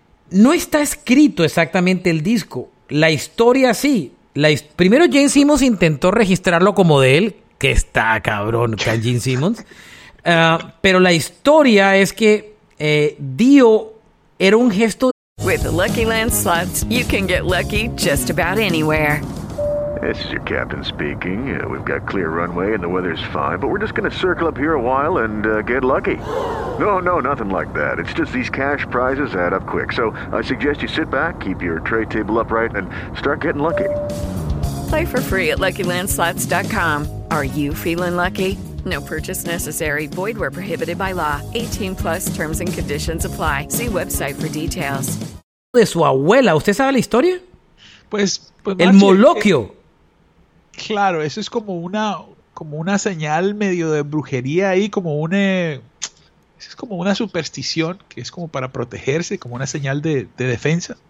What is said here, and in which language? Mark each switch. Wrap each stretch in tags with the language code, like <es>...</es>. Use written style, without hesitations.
<es>No está escrito exactamente el disco. La historia sí. Primero Gene Simmons intentó registrarlo como de él, que está cabrón, Gene Simmons. Pero la historia es que Dio era un gesto.</es> <en>With the Lucky Land Slots, you can get lucky just about anywhere. This is your captain speaking. We've got clear runway and the weather's fine, but we're just going to circle up here a while and get lucky. No, no, nothing like that. It's just these cash prizes add up quick. So I suggest you sit back, keep your tray table upright, and start getting lucky. Play for free at LuckyLandSlots.com. Are you feeling lucky? No purchase necessary. Void where prohibited by law. 18 plus terms and conditions apply. See website for details.</en> <es>De su abuela, ¿usted sabe la historia? Pues el Moloquio. Claro, eso es como una señal medio de brujería ahí, como una superstición que es como para protegerse, como una señal de defensa.</es>